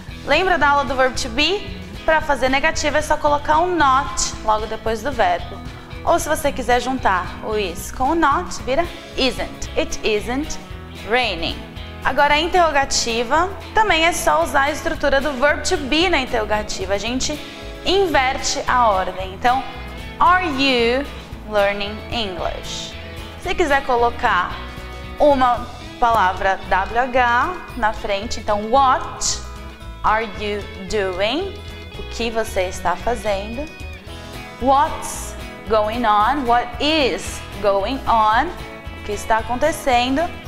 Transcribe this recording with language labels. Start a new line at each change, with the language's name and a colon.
Portuguese: Lembra da aula do verbo to be? Para fazer negativa é só colocar um not logo depois do verbo. Ou se você quiser juntar o is com o not, vira isn't.
English: It isn't raining.
Portuguese: Agora, a interrogativa também é só usar a estrutura do verb to be na interrogativa. A gente inverte a ordem. Então,
English: are you learning English?
Portuguese: Se quiser colocar uma palavra WH na frente, então,
English: what are you doing?
Portuguese: O que você está fazendo?
English: What's going on? What is going on?
Portuguese: O que está acontecendo?